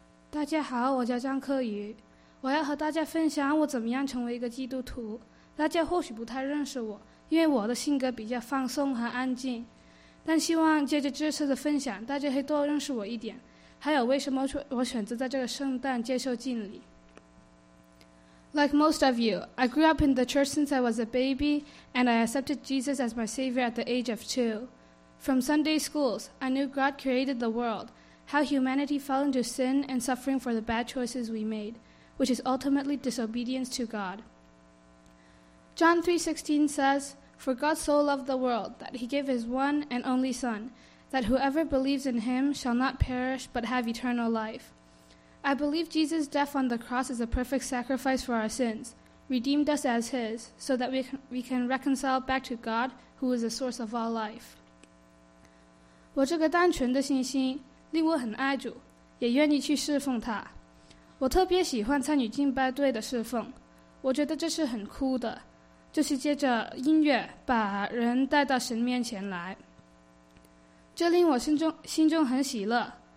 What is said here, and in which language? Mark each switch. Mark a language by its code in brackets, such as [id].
[zh] 大家好，我叫张克宇，我要和大家分享我怎么样成为一个基督徒。大家或许不太认识我，因为我的性格比较放松和安静，但希望借着这次的分享，大家会多认识我一点，还有为什么我选择在这个圣诞接受敬礼。 [en] Like most of you, I grew up in the church since I was a baby, and I accepted Jesus as my savior at the age of 2. From Sunday schools, I knew God created the world,how humanity fell into sin and suffering for the bad choices we made, which is ultimately disobedience to God. John 3:16 says, For God so loved the world that he gave his one and only Son, that whoever believes in him shall not perish but have eternal life. I believe Jesus' death on the cross is a perfect sacrifice for our sins, redeemed us as his, so that we can reconcile back to God, who is the source of all life. [zh] 我这个单纯的信心令我很爱主，也愿意去侍奉他。我特别喜欢参与敬拜队的侍奉，我觉得这是很酷的，就是借着音乐把人带到神面前来，这令我心中很喜乐。